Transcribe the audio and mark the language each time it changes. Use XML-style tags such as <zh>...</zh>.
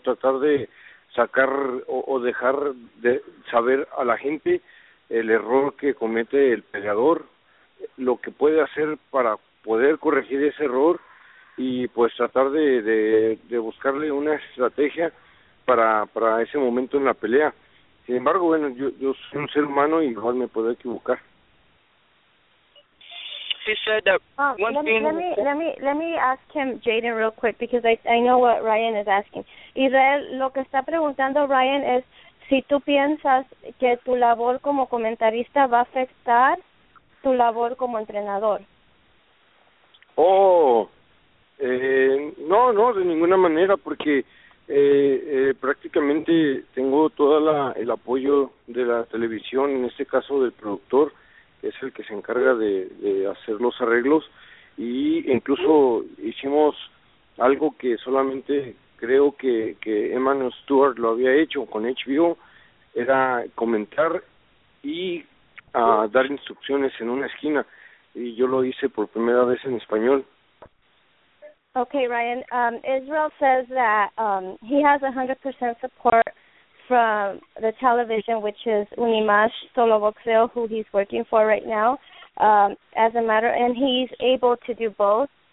<es>Tratar de sacar o dejar de saber a la gente el error que comete el peleador, lo que puede hacer para poder corregir ese error y pues tratar de buscarle una estrategia para ese momento en la pelea. Sin embargo, bueno, yo soy un ser humano y igual me puedo equivocar.</es> <en>he said that let me ask him Jaden real quick, because I know what Ryan is asking.</en> <es>Israel, lo que está preguntando Ryan es si tú piensas que tu labor como comentarista va a afectar tu labor como entrenador. No, de ninguna manera, porque prácticamente tengo toda el apoyo de la televisión, en este caso del productor, que es el que se encarga de hacer los arreglos, y incluso hicimos algo que solamente creo que Emmanuel Stewart lo había hecho con HBO, era comentar y dar instrucciones en una esquina, y yo lo hice por primera vez en español.</es> <en>Okay, Ryan. Israel says that he has 100% support from the television, which is Unimash Solo Boxeo, who he's working for right now, as a matter, and he's able to do both.</en>